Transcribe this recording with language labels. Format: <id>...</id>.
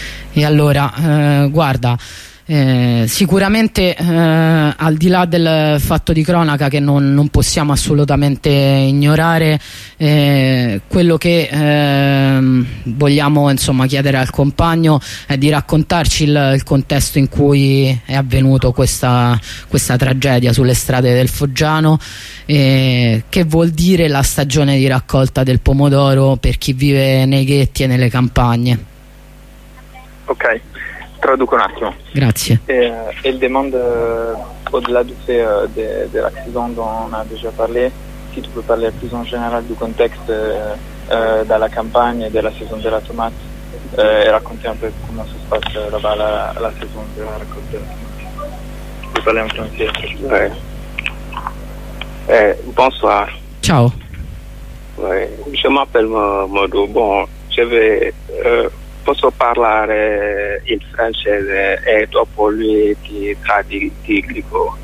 <it>E allora, guarda, sicuramente al di là del fatto di cronaca che non possiamo assolutamente ignorare, quello che vogliamo insomma chiedere al compagno è di raccontarci il contesto in cui è avvenuto questa tragedia sulle strade del Foggiano, che vuol dire la stagione di raccolta del pomodoro per chi vive nei ghetti e nelle campagne. Ok, traduco un attimo. Grazie.</it> <fr>Il demande au-delà du fait de l'accident dont on a déjà parlé, si tu peux parler plus en général du contexte</fr> <it>dalla campagna e della</it> <fr>saison della tomate,</fr> <it>e raccontare</it> <fr>un peu comment se passe là-bas la saison de la raccolta.</fr> <it>Puoi parlare un francese.</it> <fr>Bonsoir.</fr> <it>Ciao.</it> <fr>Je m'appelle Modou. Bon, je vais</fr> <it>posso parlare in francese e dopo lui ti traduco.</it>